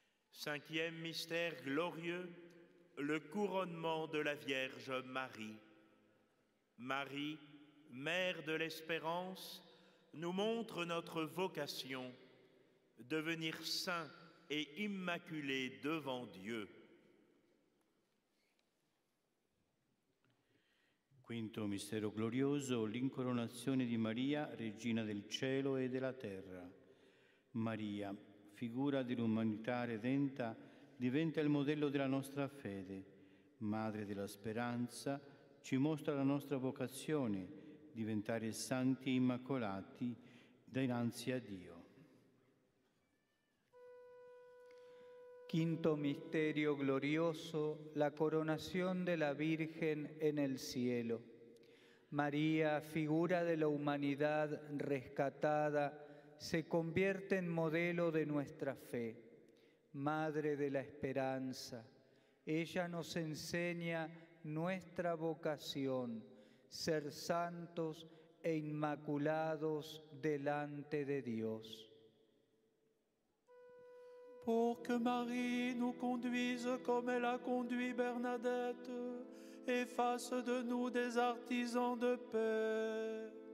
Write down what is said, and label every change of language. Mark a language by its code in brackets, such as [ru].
[fr] Cinquième mystère glorieux, le couronnement de la Vierge Marie. Marie, Mère de l'Espérance, nous montre notre vocation, devenir saint et immaculé devant Dieu. [it] Quinto mistero glorioso, l'incoronazione di Maria, Regina del Cielo e della Terra. Maria, figura dell'umanità redenta, diventa il modello della nostra fede. Madre della speranza, ci mostra la nostra vocazione, diventare santi e immacolati dinanzi a Dio. [es] Quinto misterio glorioso, la coronación de la Virgen en el cielo. María, figura de la humanidad rescatada, se convierte en modelo de nuestra fe. Madre de la Esperanza, ella nos enseña nuestra vocación, ser santos e inmaculados delante de Dios. [fr] Pour que Marie nous conduise comme elle a conduit Bernadette, et fasse de nous des artisans de paix.